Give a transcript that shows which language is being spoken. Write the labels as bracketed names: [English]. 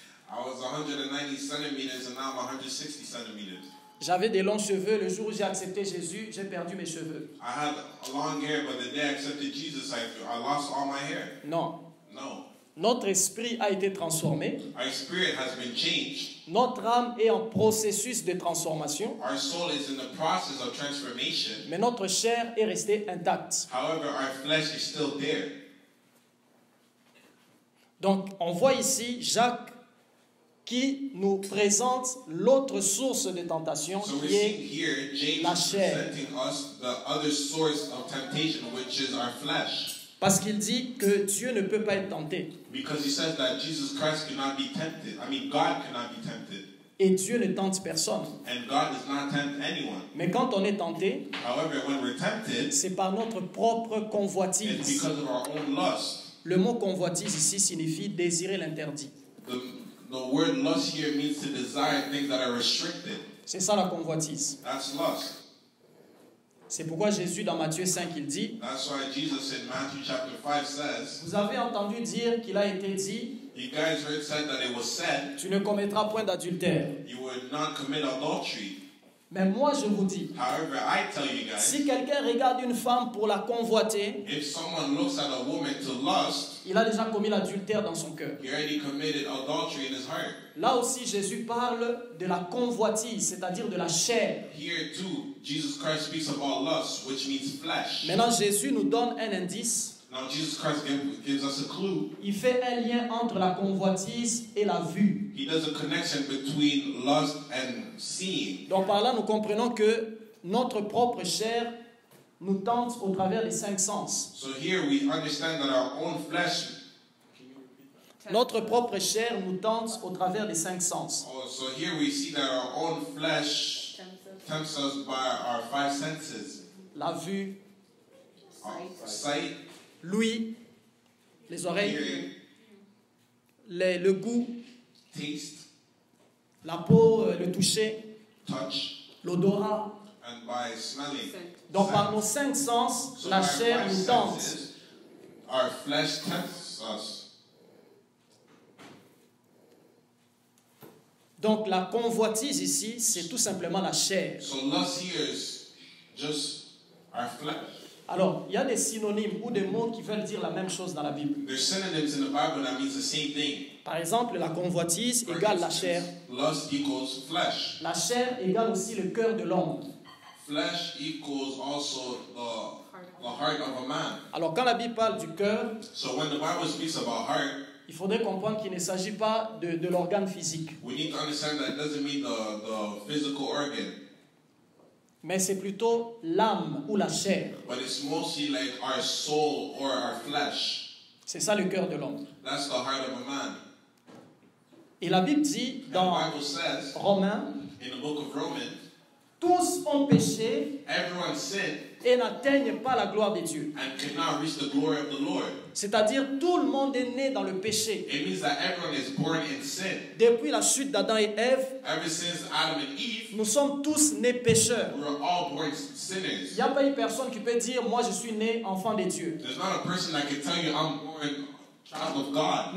[English] I was 190 centimeters, and now I'm 160 centimeters. [French] J'avais des longs cheveux. Le jour où j'ai accepté Jésus, j'ai perdu mes cheveux. [English] I had long hair, but the day I accepted Jesus, I lost all my hair. [French] Non. [English] No. [French] Notre esprit a été transformé. [English] Our spirit has been changed. [French] Notre âme est en processus de transformation. [English] Our soul is in the process of transformation. [French] Mais notre chair est restée intacte. [English] However, our flesh is still there. [French] Donc, on voit ici Jacques qui nous présente l'autre source de tentation, [English] so [French] qui est [English] here, James [French] la chair. [English] Us the other source of temptation, which is our flesh. [French] Parce qu'il dit que Dieu ne peut pas être tenté. [English] Because he says that Jesus Christ cannot be tempted. I mean, God cannot be tempted. [French] Et Dieu ne tente personne. [English] And God does not tempt anyone. [French] Mais quand on est tenté, [English] however, when we're tempted, [French] c'est par notre propre convoitise. [English] It's because of our own lust. [French] Le mot convoitise ici signifie désirer l'interdit. [English] The word lust here means to desire things that are restricted. [French] C'est ça la convoitise. [English] That's lust. [French] C'est pourquoi Jésus, dans Matthieu 5, il dit, [English] that's why Jesus in Matthew chapter 5 says, [French] vous avez entendu dire qu'il a été dit, [English] you guys heard said that it was said, [French] tu ne commettras point d'adultère. [English] You will not commit adultery. [French] Mais moi, je vous dis, [English] however, I tell you guys, [French] si quelqu'un regarde une femme pour la convoiter, [English] if someone looks at a woman to lust, [French] il a déjà commis l'adultère dans son cœur. [English] He already committed adultery in his heart. [French] Là aussi, Jésus parle de la convoitise, c'est-à-dire de la chair. [English] Here too, Jesus Christ speaks about lust, which means flesh. [French] Maintenant, Jésus nous donne un indice. [English] Now, Jesus Christ gives us a clue. [French] Il fait un lien entre la convoitise et la vue. [English] He does a connection between lust and seeing. [French] Donc, par là, nous comprenons que notre propre chair nous tente au travers des cinq sens. [English] So here we understand that our own flesh, [French] notre propre chair nous tente au travers des cinq sens. [English] Oh, so here we see that our own flesh tempts us by our five senses. [French] La vue, [English] sight, [French] l'ouïe, les oreilles, [English] hearing, [French] le goût, [English] taste, [French] la peau, le toucher, [English] touch, [French] l'odorat. [English] And by smelling. [French] Donc par nos cinq sens, [English] so [French] la chair nous tente. [English] Our flesh tempts us. [French] Donc la convoitise ici, c'est tout simplement la chair. [English] So lust here is just our flesh. [French] Alors, il y a des synonymes ou des mots qui veulent dire la même chose dans la Bible. [English] There's synonyms in the Bible that means the same thing. [French] Par exemple, la convoitise égale la chair. [English] Lust equals flesh. [French] La chair égale aussi le cœur de l'homme. [English] Flesh equals also the heart of a man. [French] Alors, quand la Bible parle du cœur, [English] so when the Bible speaks about heart, [French] il faudrait comprendre qu'il ne s'agit pas de l'organe physique. [English] We need to understand that it doesn't mean the physical organ. [French] Mais c'est plutôt l'âme ou la chair. [English] But it's mostly like our soul or our flesh. [French] C'est ça le cœur de l'homme. [English] That's the heart of a man. [French] Et la Bible dit dans Romains, [English] in the book of Romans, [French] tous ont péché, [English] everyone sinned, [French] et n'atteignent pas la gloire de Dieu. [English] And cannot reach the glory of the Lord. [French] C'est-à-dire, tout le monde est né dans le péché. [English] It means that everyone is born in sin. [French] Depuis la chute d'Adam et Ève, [English] ever since Adam and Eve, [French] nous sommes tous nés pécheurs. [English] We are all born sinners. [French] Il n'y a pas une personne qui peut dire, moi je suis né enfant de Dieu. [English] There's not a person that can tell you I'm born child of God.